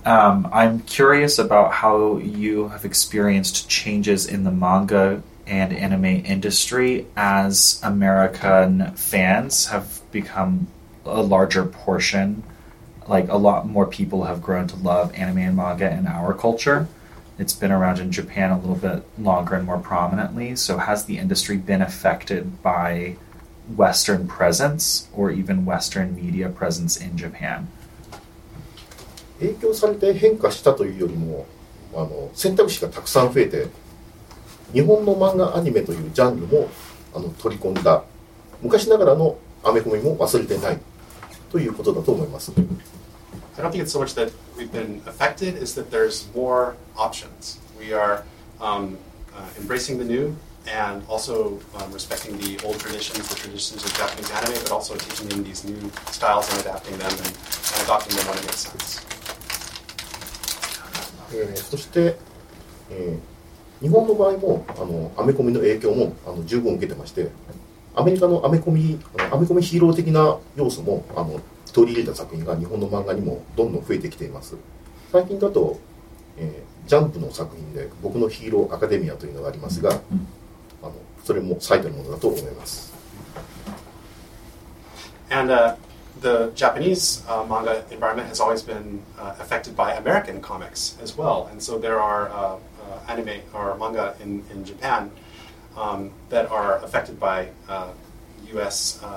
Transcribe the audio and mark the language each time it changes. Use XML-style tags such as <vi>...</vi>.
<en>I'm curious about how you have experienced changes in the manga and anime industry as American fans have become a larger portion, like a lot more people have grown to love anime and manga in our culture. It's been around in Japan a little bit longer and more prominently. So has the industry been affected by Western presence or even Western media presence in Japan?</en> <ja>影響されて変化したというよりも、あの選択肢がたくさん増えて、日本の漫画アニメというジャンルもあの取り込んだ、昔ながらのアメコミも忘れてないということだと思います。</ja> <en>I don't think it's so much that we've been affected, it's that there's more options. We are embracing the new and also respecting the old traditions, the traditions of Japanese anime, but also taking in these new styles and adapting them and adopting them when it makes sense.</en> <ja>そして、日本の場合もあのアメコミの影響もあの十分受けてまして、アメリカのアメコミヒーロー的な要素もあの取り入れた作品が日本の漫画にもどんどん増えてきています。最近だと、ジャンプの作品で僕のヒーローアカデミアというのがありますが、あのそれも最たるものだと思います。</ja> <en>And, The Japanese manga environment has always been affected by American comics as well. And so there are anime or manga in Japan that are affected by U.S.</en>